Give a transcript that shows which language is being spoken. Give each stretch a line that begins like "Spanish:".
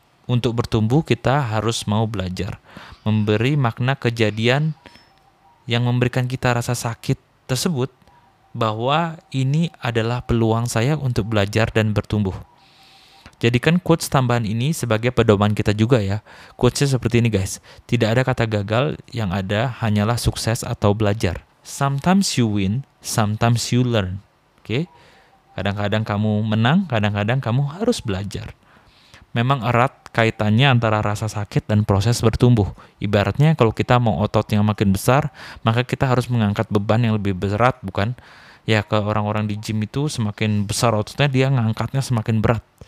Indonesian: Untuk bertumbuh, kita harus mau belajar, memberi makna kejadian yang memberikan kita rasa sakit tersebut, bahwa ini adalah peluang saya untuk belajar dan bertumbuh. Jadikan quotes tambahan ini sebagai pedoman kita juga ya. Quotesnya seperti ini guys. Tidak ada kata gagal, yang ada hanyalah sukses atau belajar.
English: Sometimes you win, sometimes you learn. Okay?
Indonesian: Kadang-kadang kamu menang, kadang-kadang kamu harus belajar. Memang erat kaitannya antara rasa sakit dan proses bertumbuh. Ibaratnya kalau kita mau otot yang makin besar, maka kita harus mengangkat beban yang lebih berat, bukan? Ya, ke orang-orang di gym itu semakin besar ototnya, dia ngangkatnya semakin berat.